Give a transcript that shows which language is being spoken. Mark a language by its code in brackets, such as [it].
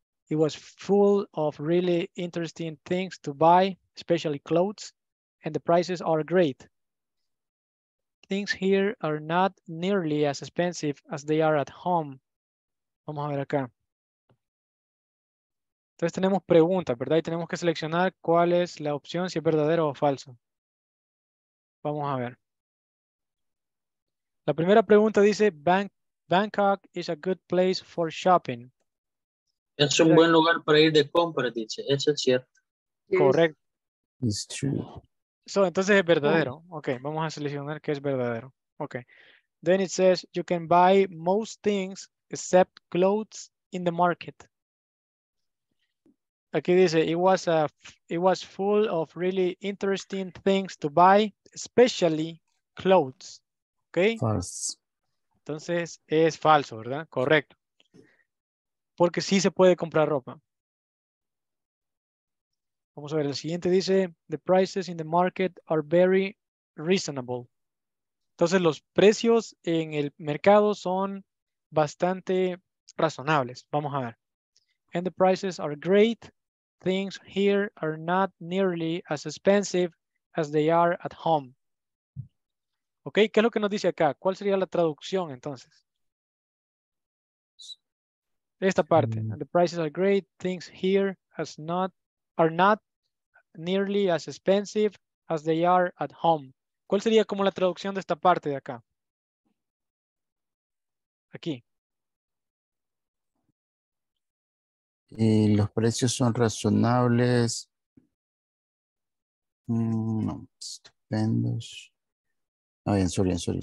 [en] It was full of really interesting things to buy, especially clothes, and the prices are great. Things here are not nearly as expensive as they are at home. [es] Vamos a ver acá. Entonces tenemos preguntas, ¿verdad? Y tenemos que seleccionar cuál es la opción, si es verdadero o falso. Vamos a ver. La primera pregunta dice, [en] Bangkok is a good place for shopping. [es] Es un buen lugar para ir de compras, dice. Eso es cierto. Correcto. [en] It's true. [es] So, entonces es verdadero. Ok, vamos a seleccionar que es verdadero. Ok. [en] Then it says, you can buy most things except clothes in the market. [es] Aquí dice, [en] it was full of really interesting things to buy, especially clothes. ¿Ok? False. [es] Entonces, es falso, ¿verdad? Correcto. Porque sí se puede comprar ropa. Vamos a ver, el siguiente dice, [en] the prices in the market are very reasonable. [es] Entonces, los precios en el mercado son bastante razonables. Vamos a ver. [en] And the prices are great. Things here are not nearly as expensive as they are at home. [es] Ok, ¿qué es lo que nos dice acá? ¿Cuál sería la traducción entonces? Esta parte. [en] The prices are great. Things here are not nearly as expensive as they are at home. [es] ¿Cuál sería como la traducción de esta parte de acá? Aquí. Y los precios son razonables. No, estupendos. Ah, bien, sorry.